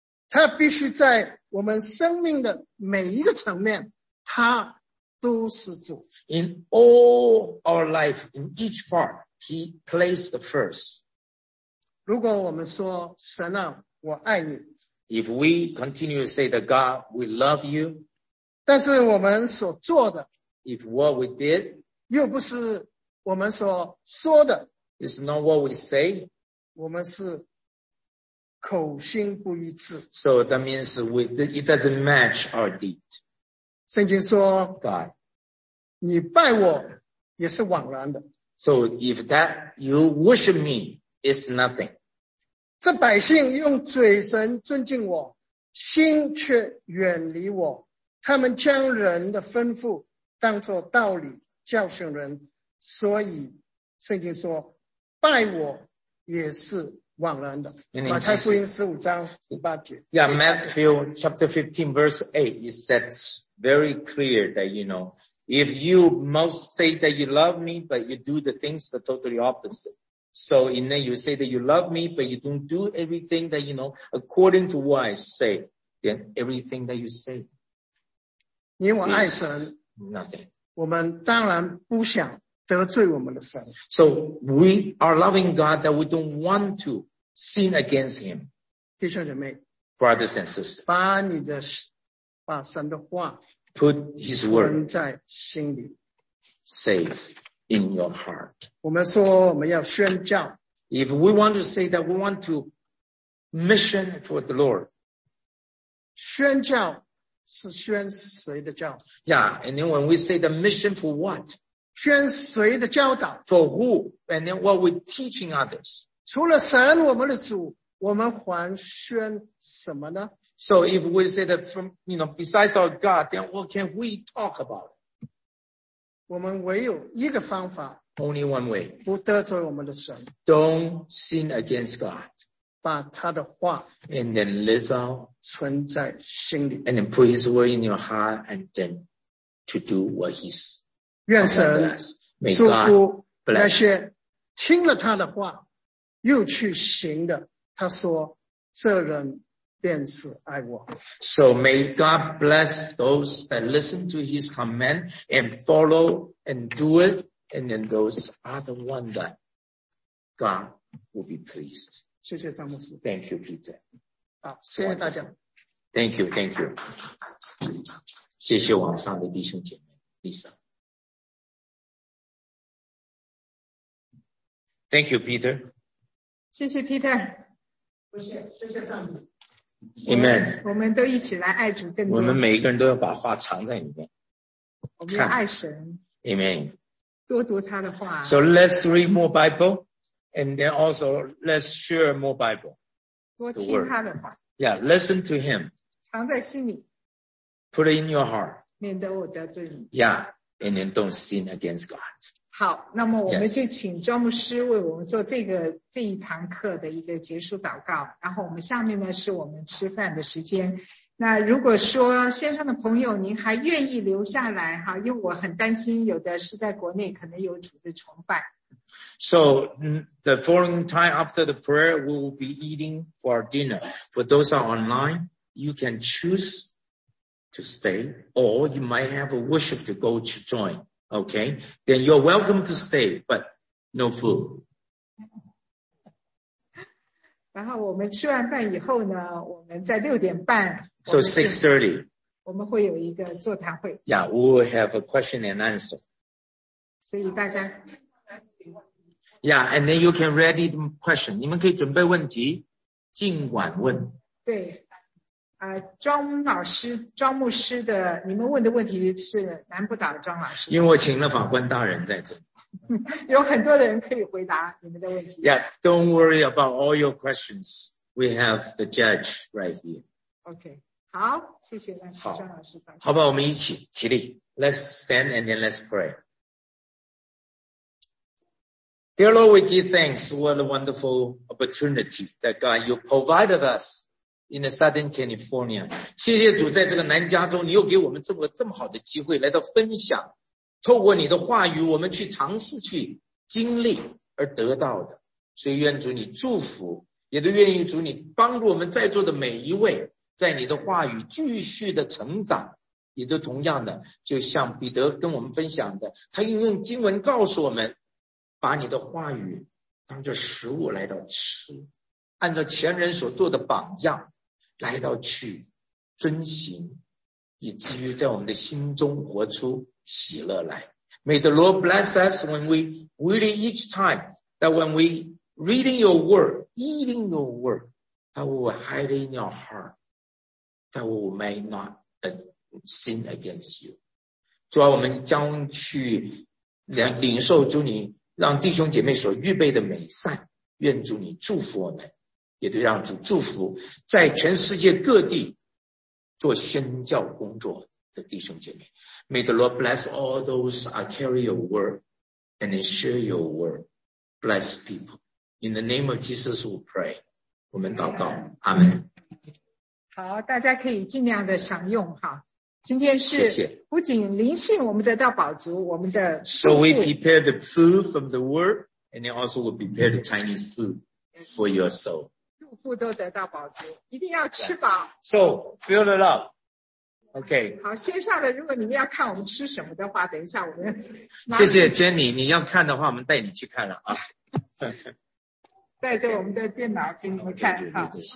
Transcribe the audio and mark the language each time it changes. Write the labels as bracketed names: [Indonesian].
[Chinese] 他必须在我们生命的每一个层面，他都是主。 [English] In all our life, in each part, he plays the first. [Chinese] 如果我们说神啊，我爱你。 [English] If we continue to say that God, we love you. [Chinese] 但是我们所做的。 [English] If what we did. [Chinese] 又不是我们所说的。 [English] It's not what we say. [Chinese] 我们是口心不一致。 [English] So that means we, it doesn't match our deed. [Chinese] 圣经说 [English] God. [Chinese] 你拜我也是枉然的。 [English] So if that you worship me, it's nothing. [Chinese] 这百姓用嘴唇尊敬我，心却远离我。他们将人的吩咐当作道理教训人，所以圣经说拜我也是枉然的。马太福音十五章十八节。 [English] Yeah, Matthew chapter 15 verse 8, it says very clear that, you know, if you most say that you love me, but you do the things the totally opposite. So in there you say that you love me, but you don't do everything that, you know, according to what I say, then everything that you say. [Chinese] 因我爱神。 [English] Nothing. [Chinese] 我们当然不想得罪我们的神。 [English] So we are loving God that we don't want to sin against him. [Chinese] 弟兄姐妹。 [English] Brothers and sisters. [Chinese] 把你的把神的话。 [English] Put his word. [Chinese] 存在心里。 [English] Safe in your heart. [Chinese] 我们说我们要宣教。 [English] If we want to say that we want to mission for the Lord. [Chinese] 宣教。是宣谁的教？ [English] Yeah, and then when we say the mission for what? [Chinese] 宣谁的教导？ [English] For who? And then what we're teaching others? [Chinese] 除了神，我们的主，我们还宣什么呢？ [English] So if we say that from, you know, besides our God, then what can we talk about? [Chinese] 我们唯有一个方法。 [English] Only one way. [Chinese] 不得罪我们的神。 [English] Don't sin against God. [Chinese] 把他的话。 [English] And then live out. [Chinese] 存在心里。 [English] And then put his word in your heart and then to do what he's. [Chinese] 愿神祝福那些听了他的话又去行的，他说这人便是爱我。 [English] So may God bless those that listen to his command and follow and do it, and then those are the one that God will be pleased. [Chinese] 谢谢张牧师。 [English] Thank you, Peter. [Chinese] 好，谢谢大家。 [English] Thank you, thank you. [Chinese] 谢谢网上的弟兄姐妹 ，Lisa。 [English] Thank you, Peter. [Chinese] 谢谢 Peter。不是，谢谢上帝。Amen。我们都一起来爱主更多。我们每一个人都要把话藏在里面。我们要爱神。 Amen。多读他的话。 [English] So let's read more Bible, and then also let's share more Bible. [Chinese] 多听他的话。 [English] Yeah, listen to him. [Chinese] 藏在心里。 [English] Put it in your heart. [Chinese] 免得我得罪你。 [English] Yeah, and then don't sin against God. [Chinese] 好，那么我们就请专牧师为我们做这个这一堂课的一个结束祷告。然后我们下面呢是我们吃饭的时间。那如果说线上的朋友您还愿意留下来哈，因为我很担心有的是在国内可能有主的崇拜。 [English] So the following time after the prayer, we will be eating for our dinner. For those who are online, you can choose to stay or you might have a worship to go to join. Okay? Then you're welcome to stay, but no food. [Chinese] 然后我们吃完饭以后呢，我们在六点半。 [English] So 6:30. [Chinese] 我们会有一个座谈会。 [English] Yeah, we will have a question and answer. [Chinese] 所以大家。 [English] Yeah, and then you can ready the question. [Chinese] 你们可以准备问题，尽管问。对，庄老师、庄牧师的，你们问的问题是难不倒庄老师。因为我请了法官大人在这里。有很多的人可以回答你们的问题。 Yeah, don't worry about all your questions. We have the judge right here. Okay, 好，谢谢张老师。好吧，我们一起起立。 [English] Let's stand and then let's pray. Dear Lord, we give thanks. What a wonderful opportunity that God, you provided us. In the Southern California. [Chinese] 谢谢主在这个南加州你又给我们这么好的机会来到分享。透过你的话语我们去尝试去经历而得到的。所以愿主你祝福也都愿意主你帮助我们在座的每一位在你的话语继续的成长。也都同样的就像彼得跟我们分享的他运用经文告诉我们把你的话语当作食物来到吃。按照前人所做的榜样来到去遵行以至于在我们的心中活出喜乐来。 [English] May the Lord bless us when we read it each time, that when we reading your word, eating your word, that we will hide in your heart, that we may not sin against you. [Chinese] 主啊我们将去领受主你让弟兄姐妹所预备的美善愿主你祝福我们。也都让主祝福在全世界各地做宣教工作的弟兄姐妹。 [English] May the Lord bless all those who carry your word and share your word. Bless people. In the name of Jesus, we pray. [Chinese] 我们祷告。阿们。好，大家可以尽量的享用哈。今天是不仅灵性我们得到饱足，我们的 [English] So we prepare the food from the word and then also we prepare the Chinese food for your soul. [Chinese] 祝福都得到饱足，一定要吃饱。 [English] So fill it up. Okay. [Chinese] 好，线上的，如果你们要看我们吃什么的话，等一下我们。谢谢 Jenny， 你要看的话，我们带你去看了啊。带着我们的电脑给你们看哈。